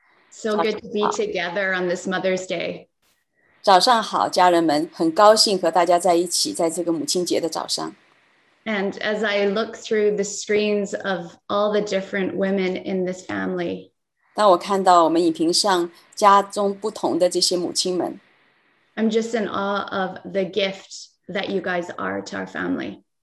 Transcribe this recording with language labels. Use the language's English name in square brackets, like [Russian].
[English] So good to be together on this Mother's Day. [Chinese] 早上好，家人们，很高兴和大家在一起，在这个母亲节的早上。 [English] And as I look through the screens of all the different women in this family, [Chinese] 当我看到我们影屏上家中不同的这些母亲们, [English] I'm just in awe of the gift that you guys are to our family.